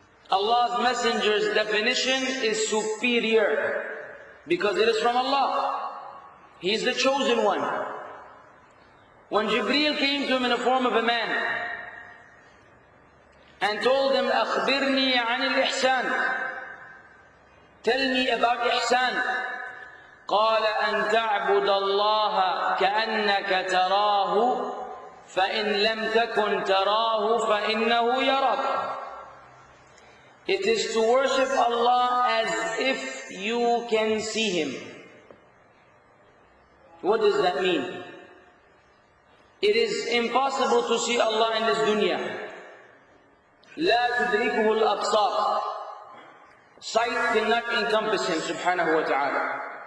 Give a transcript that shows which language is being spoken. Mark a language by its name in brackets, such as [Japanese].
[English] Allah's Messenger's definition is superior because it is from Allah. He is the chosen one. When Jibreel came to him in the form of a man and told him, [Arabic] أخبرني عن الإحسان, [English] tell me about إحسان. [Arabic] قال أن تعبد الله كأنك تراه فإن لم تكن تراه فإنه يراك. [English] It is to worship Allah as if you can see Him. What does that mean? It is impossible to see Allah in this dunya. [Arabic] لا تدركه الأبصار. [English] Sight cannot encompass Him, subhanahu wa ta'ala.